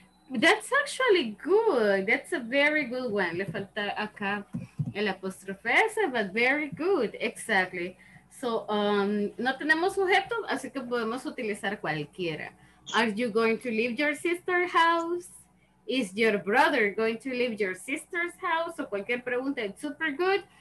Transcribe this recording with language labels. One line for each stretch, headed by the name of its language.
English: That's actually good. That's a very good one.
Spanish: Le falta acá. El apóstrofe S,
English: but very good, exactly. So,
Spanish: no tenemos sujeto, así que podemos utilizar cualquiera.
English: Are you going to leave your sister's house? Is your brother going to leave your sister's house?
Spanish: O cualquier pregunta,
English: it's super good.